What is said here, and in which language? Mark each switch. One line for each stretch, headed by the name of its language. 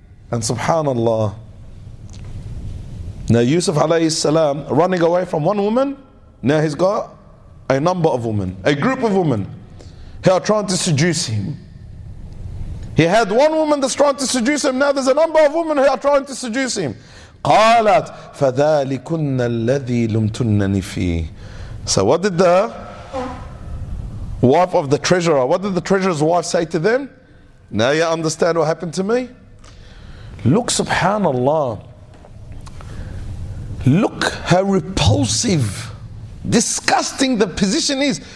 English: And subhanallah. Now Yusuf alayhi salam running away from one woman. Now he's got a number of women, a group of women who are trying to seduce him. He had one woman that's trying to seduce him. Now there's a number of women who are trying to seduce him.
Arabic: قالت فذلكن الذي لمتنني فيه.
English: So what did the wife of the treasurer, what did the treasurer's wife say to them? Now you understand what happened to me? Look, subhanallah. Look how repulsive, disgusting the position is.